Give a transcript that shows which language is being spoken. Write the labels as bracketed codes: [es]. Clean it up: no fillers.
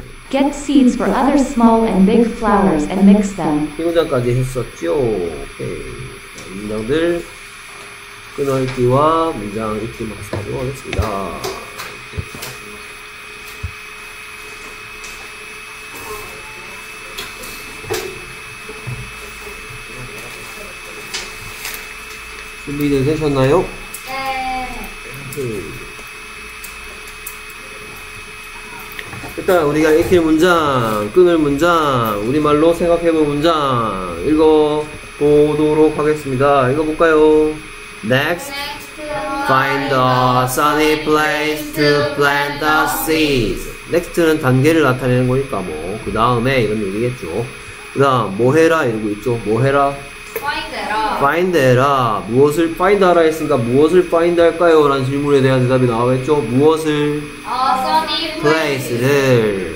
[en] Get seeds for other small and big flowers and mix them. [ko] 이 문장까지 했었죠. 오케이. 문장들 끊어읽기와 문장 읽기 마스터하도록 하겠습니다. 준비되셨나요? 네. 일단 우리가 읽힐 문장, 끊을 문장, 우리말로 생각해볼 문장 읽어보도록 하겠습니다. 읽어볼까요? [en] Next, find a sunny place to plant the seeds. [ko] Next는 단계를 나타내는 거니까 뭐 그 다음에 이런 얘기겠죠. 그 다음 뭐해라 이러고 있죠. 뭐해라? [en] Find [ko] 해라. 무엇을 find 하라 했으니까 무엇을 find 할까요? 라는 질문에 대한 대답이 나와있죠. 무엇을? [en] A sunny place를.